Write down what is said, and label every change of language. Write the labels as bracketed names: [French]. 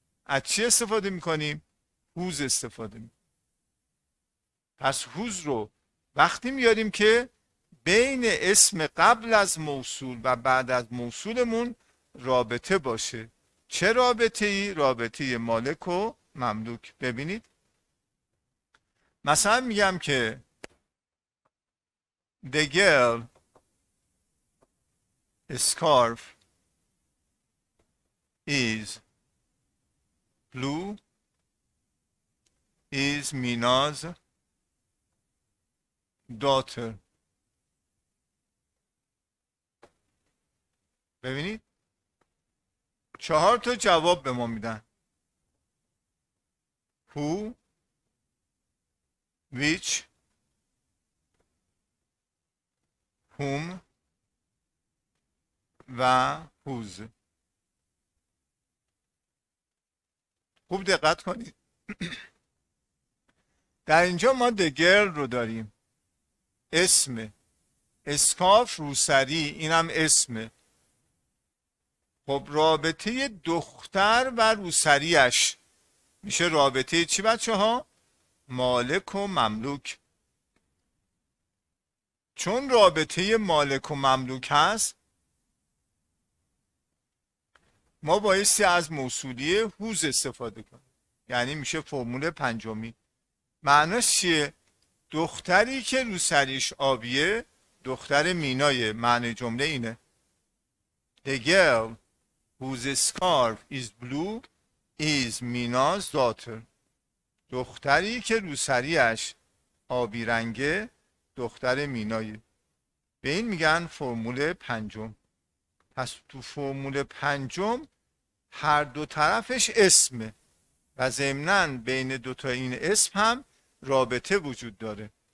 [Persian] از چی استفاده میکنیم؟ هوز استفاده میکنیم. پس هوز رو وقتی میاریم که بین اسم قبل از موصول و بعد از موصولمون رابطه باشه. چه رابطه ای؟ رابطه مالک و مملوک. ببینید مثلا میگم که [English] the girl scarf is blue is Mina's daughter. [Persian] ببینید چهار تا جواب به ما میدن، who which whom و هوز. خوب دقت کنید، در اینجا ما [English] the girl [Persian] رو داریم، اسم اسکاف روسری، اینم اسم. خب رابطه دختر و روسریش میشه رابطه چی بچه ها؟ مالک و مملوک. چون رابطه مالک و مملوک هست، ما بایستی از موصولی هوز استفاده کنیم، یعنی میشه فرمول پنجمی. معناش چیه؟ دختری که روسریش آبیه دختر مینایه. معنی جمله اینه [English] The girl whose scarf is blue is Mina's daughter. [Persian] دختری که روسریش آبی رنگه دختر مینایه. به این میگن فرمول پنجم. پس تو فرمول پنجم هر دو طرفش اسمه و ضمناً بین دو تا این اسم هم رابطه وجود داره.